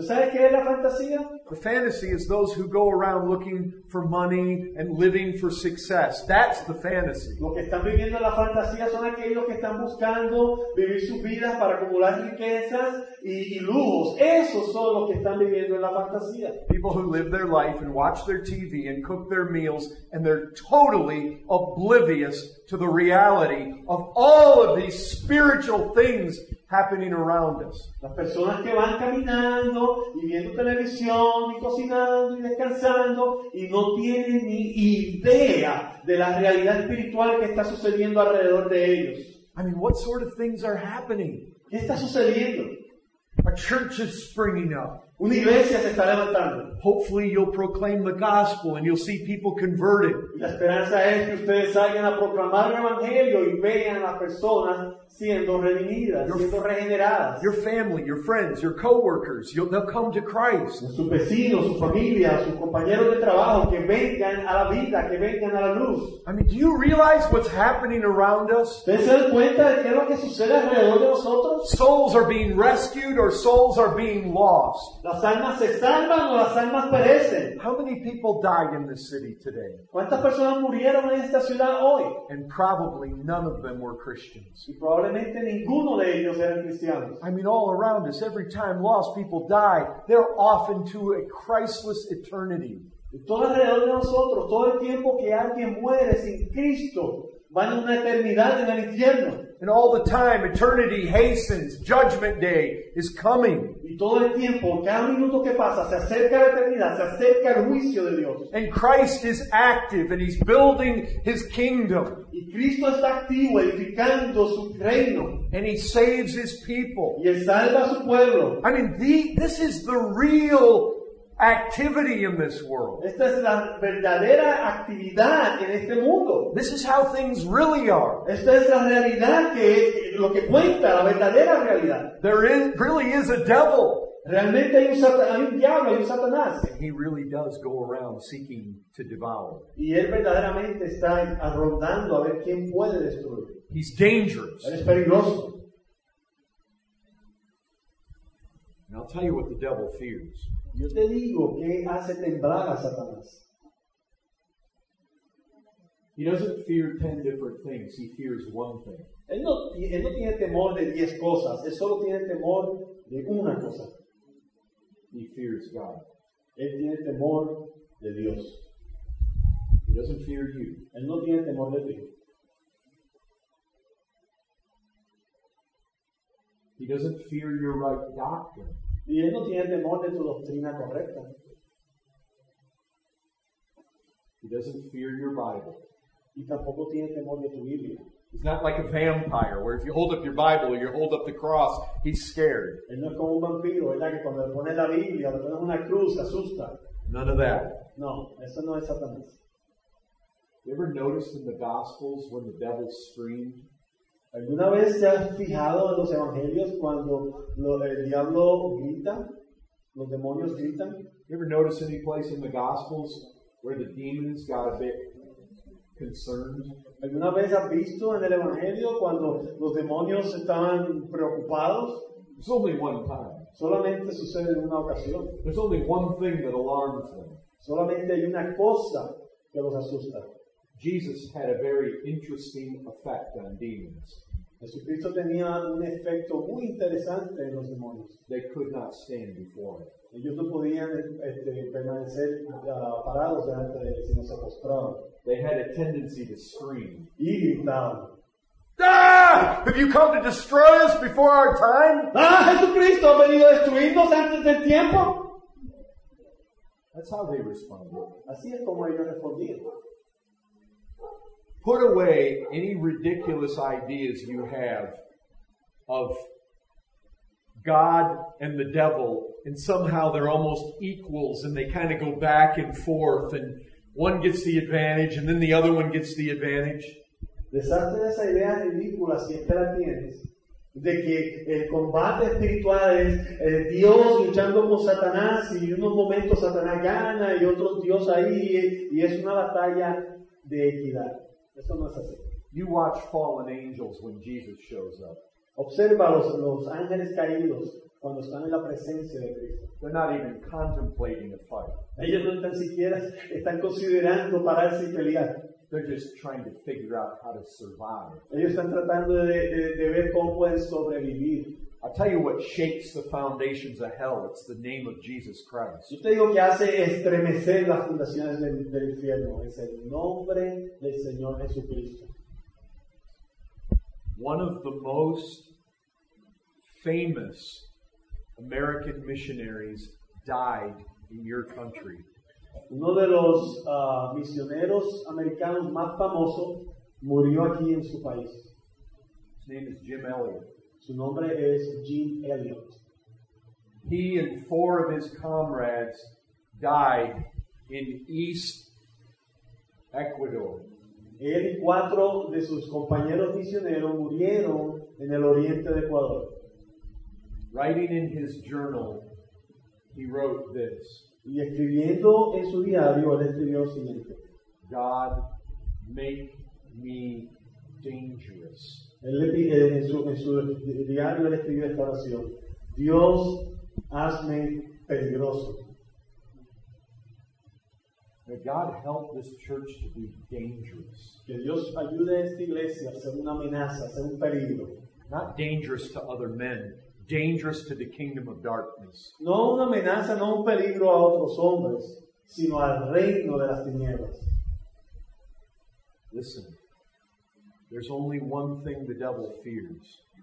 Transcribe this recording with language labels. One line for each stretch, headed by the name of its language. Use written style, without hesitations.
Spanish: ¿Sabes qué es la fantasía?
English: The fantasy is those who go around looking for money and living for success. That's the fantasy.
Spanish: Lo que están viviendo la fantasía son aquellos que están buscando vivir sus vidas para acumular riquezas y lujos. Esos son los que están viviendo en la fantasía.
English: People who live their life and watch their TV and cook their meals and they're totally oblivious to the reality of all of these spiritual things happening around us.
Spanish: Las personas que van caminando y viendo televisión y cocinando y descansando y no tienen ni idea de la realidad espiritual que está sucediendo alrededor de ellos.
English: I mean, what sort of things are happening?
Spanish: ¿Qué está sucediendo?
English: A church is springing up.
Spanish: Una iglesia se está levantando.
English: Hopefully you'll proclaim the gospel and you'll see people converted.
Spanish: La esperanza es que ustedes salgan a proclamar el evangelio y vean a las personas siendo redimidas, siendo regeneradas.
English: Your family, your friends, your coworkers, they'll come to Christ.
Spanish: Sus vecinos, su familia, sus compañeros de trabajo, que vengan a la vida, que vengan a la luz.
English: I mean, do you realize what's happening around us?
Spanish: ¿Ustedes se dan cuenta de qué es lo que sucede alrededor de nosotros?
English: Souls are being rescued or souls are being lost.
Spanish: ¿Las almas se salvan o las almas perecen?
English: How many people died in this city today?
Spanish: ¿Cuántas personas murieron en esta ciudad hoy?
English: And probably none of them were Christians.
Spanish: Probablemente ninguno de ellos eran cristianos.
English: I mean, all around us, every time lost people die, they're off into a Christless eternity.
Spanish: Y todo alrededor de nosotros, todo el tiempo que alguien muere sin Cristo, van a una eternidad en el infierno.
English: And all the time, eternity hastens. Judgment day is coming.
Spanish: Y todo el tiempo, cada minuto que pasa, se acerca la eternidad, se acerca el juicio de Dios.
English: And Christ is active, and He's building His kingdom.
Spanish: Y Cristo está activo, edificando su reino.
English: And He saves His people.
Spanish: Y Él salva a su pueblo.
English: I mean, this is the real activity in this world.
Spanish: Esta es la verdadera actividad en este mundo.
English: This is how things really are.
Spanish: Esta es la realidad que es lo que cuenta, la verdadera realidad.
English: There is, really is a devil.
Spanish: Realmente hay un diablo, hay un Satanás.
English: And he really does go around seeking to devour.
Spanish: Y él verdaderamente está rondando a ver quién puede destruir.
English: He's dangerous.
Spanish: Él es peligroso.
English: And I'll tell you what the devil fears.
Spanish: Yo te digo qué hace temblar a Satanás.
English: He doesn't fear 10 different things. He fears one thing.
Spanish: Él no tiene temor de 10 cosas. Él solo tiene temor de una cosa.
English: He fears God.
Spanish: Él tiene temor de Dios.
English: He doesn't fear you.
Spanish: Él no tiene temor de ti.
English: He doesn't fear your right doctrine.
Spanish: Y él no tiene temor de tu doctrina correcta.
English: He doesn't fear your Bible.
Spanish: Y tampoco tiene temor de tu Biblia.
English: He's not like a vampire, where if you hold up your Bible or you hold up the cross, he's scared.
Spanish: Él no es como un vampiro, ¿verdad? Que cuando le pones la Biblia, le pones una cruz, se asusta.
English: None of that.
Spanish: No, eso no es Satanás.
English: You ever noticed in the Gospels when the devil screamed?
Spanish: ¿Alguna vez te has fijado en los evangelios cuando el diablo grita, los demonios gritan?
English: You ever notice any place in the Gospels where the demons got a bit concerned?
Spanish: ¿Alguna vez has visto en el evangelio cuando los demonios estaban preocupados?
English: It's only one time.
Spanish: Solamente sucede en una ocasión.
English: There's only one thing that alarms them.
Spanish: Solamente hay una cosa que los asusta.
English: Jesus had a very interesting effect on demons.
Spanish: Jesucristo tenía un efecto muy interesante en los demonios.
English: They could not stand before him.
Spanish: Ellos no podían permanecer parados delante de él, sino se postraban.
English: They had a tendency to scream.
Spanish: Y gritaban.
English: Have you come to destroy us before our time?
Spanish: Jesucristo, ¿ha venido a destruirnos antes del tiempo?
English: That's how they responded.
Spanish: Así es como ellos respondían.
English: Put away any ridiculous ideas you have of God and the devil, and somehow they're almost equals, and they kind of go back and forth, and one gets the advantage, and then the other one gets the advantage.
Spanish: Deshazte de esa idea ridícula si es que la tienes, de que el combate espiritual es Dios luchando con Satanás, y unos momentos Satanás gana, y otros Dios ahí, y es una batalla de equidad. Eso no es así.
English: You watch fallen angels when Jesus shows up.
Spanish: Observa los ángeles caídos cuando están en la presencia de Cristo.
English: They're not even contemplating a fight.
Spanish: Ellos no tan siquiera están considerando pararse y pelear.
English: They're just trying to figure out how to survive.
Spanish: Ellos están tratando de ver cómo pueden sobrevivir.
English: I tell you what shakes the foundations of hell. It's the name of Jesus Christ.
Spanish: Yo te digo que hace estremecer las fundaciones del infierno. Es el nombre del Señor Jesucristo.
English: One of the most famous American missionaries died in your country.
Spanish: Uno de los misioneros americanos más famosos murió aquí en su país.
English: His name is Jim Elliot.
Spanish: Su nombre es Jim Elliot.
English: He and four of his comrades died in East Ecuador.
Spanish: Él y cuatro de sus compañeros misioneros murieron en el oriente de Ecuador.
English: Writing in his journal, he wrote this.
Spanish: Y escribiendo en su diario, él escribió lo siguiente.
English: God, make me dangerous.
Spanish: En su diario él escribió esta oración. Dios, hazme peligroso.
English: May God help this church to be dangerous.
Spanish: Que Dios ayude a esta iglesia a ser una amenaza, a ser un peligro.
English: Not dangerous to other men. Dangerous to the kingdom of darkness.
Spanish: No una amenaza, no un peligro a otros hombres, sino al reino de las tinieblas.
English: Listen, there's only one thing the devil fears.